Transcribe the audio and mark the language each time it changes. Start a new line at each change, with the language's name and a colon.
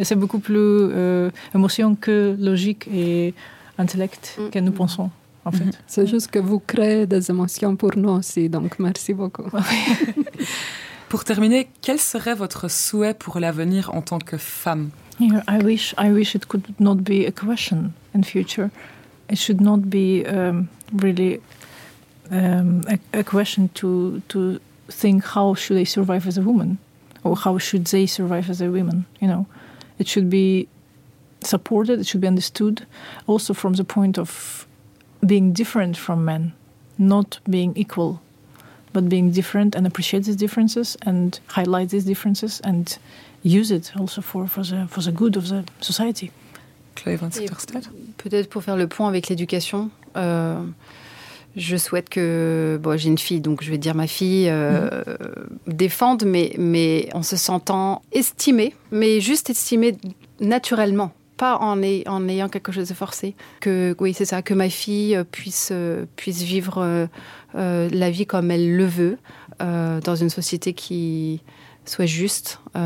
French: Et c'est beaucoup plus émotion que logique et intellect que nous pensons. En fait. Mm-hmm. C'est juste que vous créez des émotions pour nous aussi, donc merci beaucoup. Pour terminer, quel serait votre souhait pour l'avenir en tant que femme?
English: You know, I wish it could not be a question in future. It should not be really a question to think how should I survive as a woman or how should they survive as a woman. You know, it should be supported. It should be understood, also from the point of being different from men, not being equal, but being different and appreciate these differences and highlight these differences and use it also for the good of the society.
French: Peut-être pour faire le point avec l'éducation, je souhaite que, bon, j'ai une fille, donc je vais dire ma fille défende, mais en se sentant estimée, mais juste estimée naturellement. Pas en ayant quelque chose de forcé. Que, oui, c'est ça, que ma fille puisse vivre la vie comme elle le veut, dans une société qui soit juste.